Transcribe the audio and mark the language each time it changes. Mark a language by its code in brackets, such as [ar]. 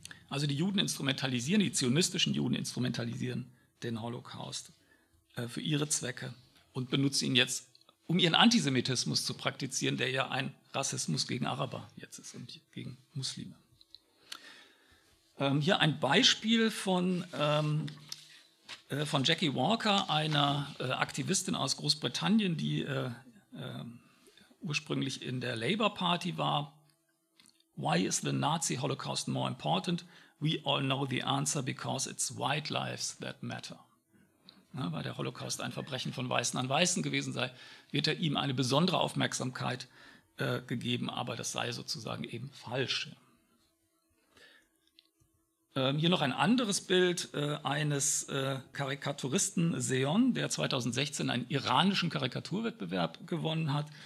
[de] Also die Juden instrumentalisieren, die zionistischen Juden instrumentalisieren den Holocaust für ihre Zwecke und benutzen ihn jetzt, um ihren Antisemitismus zu praktizieren, der ja ein Rassismus gegen Araber jetzt ist und gegen Muslime. Hier ein Beispiel von Jackie Walker, einer Aktivistin aus Großbritannien, die ursprünglich in der Labour Party war. [en] Why is the Nazi Holocaust more important? We all know the answer, because it's white lives that matter. [de] Ja, weil der Holocaust ein Verbrechen von Weißen an Weißen gewesen sei, wird er ihm eine besondere Aufmerksamkeit gegeben, aber das sei sozusagen eben falsch. Hier noch ein anderes Bild eines Karikaturisten, Seon, der 2016 einen iranischen Karikaturwettbewerb gewonnen hat.